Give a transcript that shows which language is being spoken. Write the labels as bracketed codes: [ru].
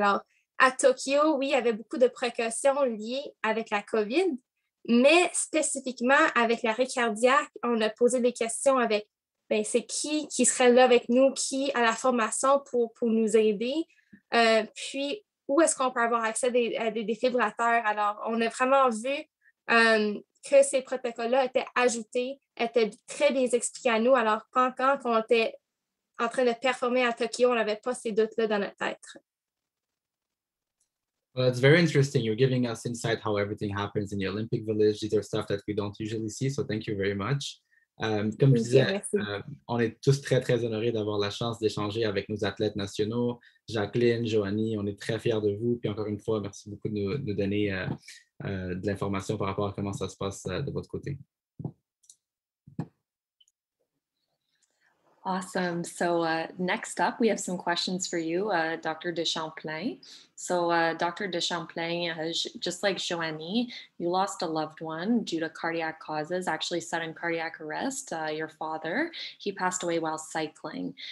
[fr] Alors, à Tokyo, oui, il y avait beaucoup de précautions liées avec la COVID, mais spécifiquement avec l'arrêt cardiaque, on a posé des questions avec, bien, c'est qui serait là avec nous, qui a la formation pour nous aider, puis où est-ce qu'on peut avoir accès à des défibrillateurs. Alors, on a vraiment vu que ces protocoles-là étaient ajoutés, étaient très bien expliqués à nous. Alors, quand on était en train de performer à Tokyo, on n'avait pas ces doutes-là dans notre tête. [en] Well, that's very interesting. You're giving us insight how everything happens in the Olympic Village. These are stuff that we don't usually see, so thank you very much. [fr] Comme je disais, on est tous très, très honorés d'avoir la chance d'échanger avec nos athlètes nationaux. Jacqueline, Joannie, on est très fiers de vous. Puis encore une fois, merci beaucoup de nous donner de l'information par rapport à comment ça se passe de votre côté. [en] Awesome. So next up, we have some questions for you, Dr. Deschamplain. So Dr. Deschamplain, just like Joannie, you lost a loved one due to cardiac causes, actually sudden cardiac arrest. Your father, he passed away while cycling.